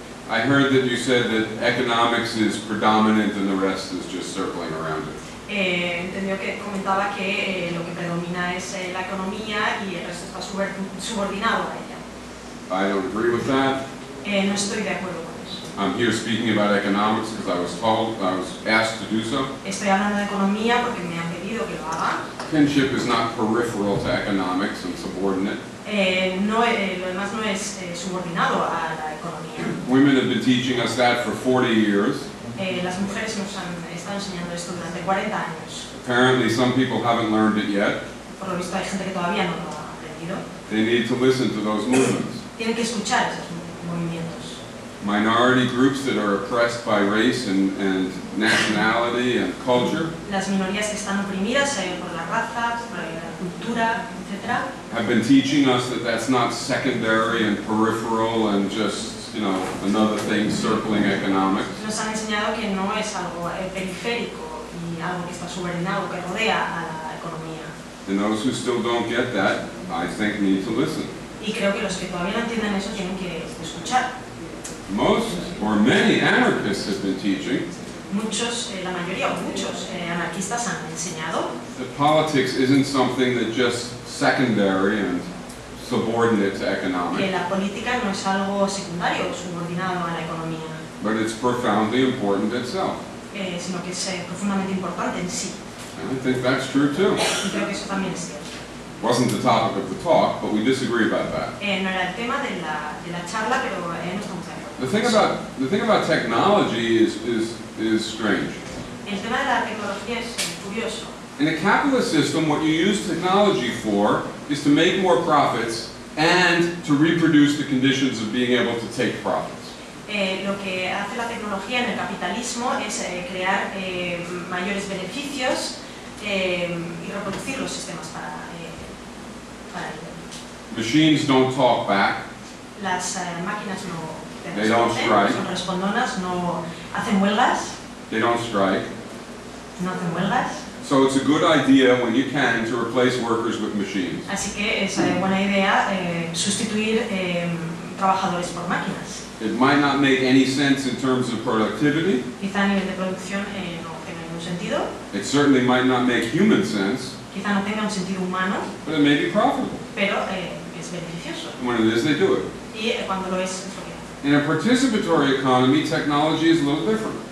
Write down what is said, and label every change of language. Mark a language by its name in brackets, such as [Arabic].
[English] I heard that you said that economics is predominant and the rest is just circling around it. I don't agree with that. [Spanish] No estoy de acuerdo con eso. [English] I'm here speaking about economics because I was told, I was asked to do so. [Spanish] Estoy hablando de economía porque me han pedido que lo haga. [English] Kinship is not peripheral to economics and subordinate. [Spanish] Subordinado a la economía. [English] Women have been teaching us that for 40 years. [Spanish] Las mujeres nos han estado enseñando esto durante 40 años. [English] Apparently some people haven't learned it yet. [Spanish] Por lo visto hay gente que todavía no lo ha aprendido. [English] They need to listen to those movements. [Spanish] Tienen que escuchar esos movimientos. [English] Minority groups that are oppressed by race and nationality and culture. [Spanish] Las minorías que están oprimidas por la raza, por la cultura, etc. [English] Have been teaching us that that's not secondary and peripheral and just, you know, another thing circling economics. [Spanish] Nos han enseñado que no es algo periférico y algo que está subordinado, que rodea a la economía. [English] And those who still don't get that, I think, need to listen. [Spanish] Y creo que los que todavía no entienden eso tienen que escuchar. [English] Most or many anarchists have been teaching. [Spanish] Muchos, la mayoría, muchos anarquistas han enseñado. [English] That politics isn't something that just secondary and subordinate to economics. [Spanish] Que la política no es algo secundario, subordinado a la economía. [English] But it's profoundly important itself. [Spanish] Sino que es profundamente importante en sí. [English] And I think that's true too. [Spanish] Y creo que eso también es cierto. [English] Wasn't the topic of the talk, but we disagree about that. [Spanish] No era el tema de la charla, pero no estamos de acuerdo. [English] The thing about technology is strange. [Spanish] El tema de la tecnología es curioso. [English] In a capitalist system, what you use technology for is to make more profits and to reproduce the conditions of being able to take profits. [Spanish] Lo que hace la tecnología en el capitalismo es crear mayores beneficios y reproducir los sistemas para. [English] Machines don't talk back. [Spanish] Las máquinas no. [English] They don't strike. [Spanish] No son respondonas, no hacen huelgas. [English] They don't strike. [Spanish] No hacen huelgas. [English] So it's a good idea when you can to replace workers with machines. [Spanish] Así que es buena idea sustituir trabajadores por máquinas. [English] It might not make any sense in terms of productivity. [Spanish] Quizá a nivel de producción no tenga ningún sentido. [English] It certainly might not make human sense. [Spanish] Quizá no tenga un sentido humano. [English] But it may be profitable. [Spanish] Pero es beneficioso. [English] When it is, they do it. [Spanish] Y cuando lo es, lo que hace. [English] In a participatory economy, technology is a little different.